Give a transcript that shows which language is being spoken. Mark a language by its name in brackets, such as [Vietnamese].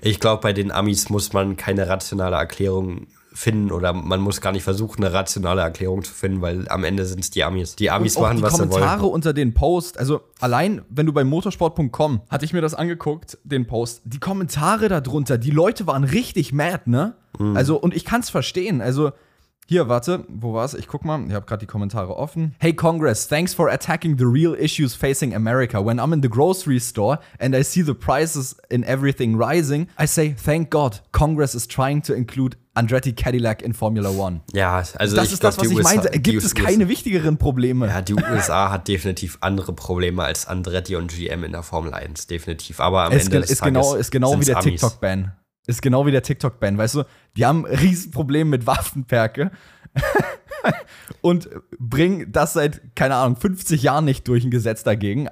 [German] Ich glaube, bei den Amis muss man keine rationale Erklärung finden oder man muss gar nicht versuchen, eine rationale Erklärung zu finden, weil am Ende sind es die Amis. Die Amis und machen, was sie wollen. Die Kommentare unter den Post, also allein, wenn du bei motorsport.com, hatte ich mir das angeguckt, den Post, die Kommentare darunter, die Leute waren richtig mad, ne? Mhm. Also, und ich kann es verstehen, also hier, warte, wo war's? Ich guck mal. Ich hab grad die Kommentare offen. [English] Hey Congress, thanks for attacking the real issues facing America. When I'm in the grocery store and I see the prices in everything rising, I say, thank God, Congress is trying to include Andretti Cadillac in Formula One. [German] Ja, also das ist das, was ich meinte. Gibt es keine wichtigeren Probleme? Ja, die USA hat definitiv andere Probleme als Andretti und GM in der Formel 1. Definitiv. Aber am Ende ist genau, wie der TikTok-Ban. Ist genau wie der TikTok-Ban, weißt du? Die haben Riesenprobleme mit Waffenperke und bringen das seit, keine Ahnung, 50 Jahren nicht durch ein Gesetz dagegen.